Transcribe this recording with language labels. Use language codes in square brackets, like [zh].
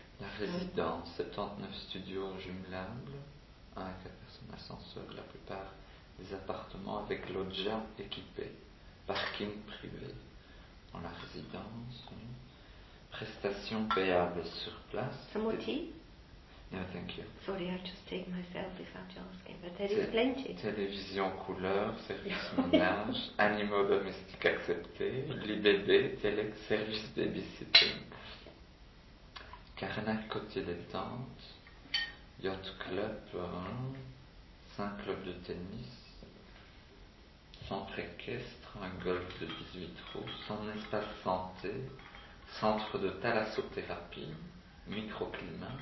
[fr] La résidence, 79 studios jumelables, 1 à 4 personnes ascenseur, la plupart des appartements avec loggia équipés, parking privé dans la résidence, prestations payables sur place. [en] Some more tea? No, thank you. Sorry, I just take myself without asking, but there is plenty. [fr] Télévision couleur, service ménage, animaux domestiques acceptés, lit bébé, télé, service babysitting. Carnac côté détente, yacht club, 5 clubs de tennis, centre équestre, un golf de 18 trous, son espace santé, centre de thalassothérapie, microclimat.